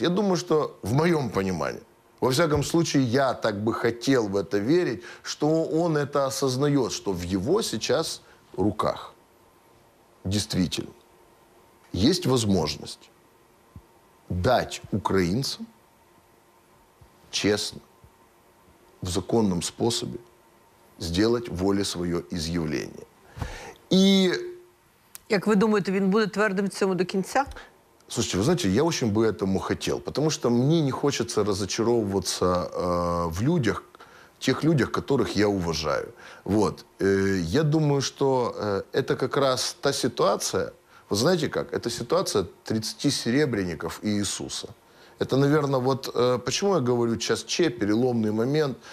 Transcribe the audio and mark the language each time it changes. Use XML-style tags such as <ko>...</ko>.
<ru>Я думаю, что в моем понимании, во всяком случае, я так бы хотел в это верить, что он это осознает, что в его сейчас руках действительно есть возможность дать украинцам честно, в законном способе, сделать воле своє изъявление.</ru> <uk>І як ви думаєте, він буде твердим в цьому до кінця?</uk> <ru>Слушайте,</ru> <uk>ви знаєте,</uk> <ru>я очень би этому хотел, потому что мне не хочется разочаровываться в людях, тех людях, которых я уважаю. Вот. Я думаю, что это как раз та ситуация, вы знаете как? Это ситуация 30 серебряников и Иисуса. Это, наверное, вот почему я говорю сейчас че, переломный момент.</ru>